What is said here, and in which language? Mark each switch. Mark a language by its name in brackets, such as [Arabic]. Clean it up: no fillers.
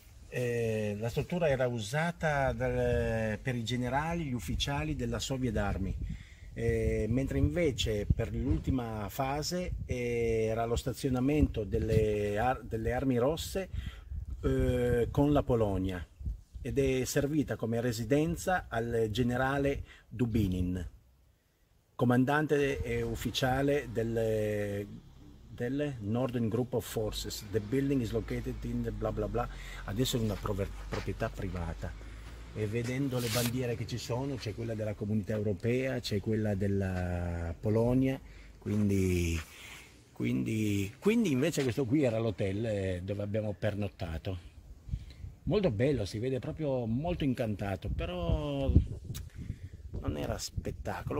[Italian] La struttura era usata per i generali, gli ufficiali della Soviet Army, mentre invece per l'ultima fase era lo stazionamento delle armi rosse con la Polonia ed è servita come residenza al generale Dubinin, comandante e ufficiale del Northern Group of Forces. [English] The building is located in the bla bla bla. [Italian] Adesso è una proprietà privata. E vedendo le bandiere che ci sono, c'è quella della Comunità Europea, c'è quella della Polonia, quindi invece questo qui era l'hotel dove abbiamo pernottato. Molto bello, si vede proprio molto incantato, però non era spettacolo.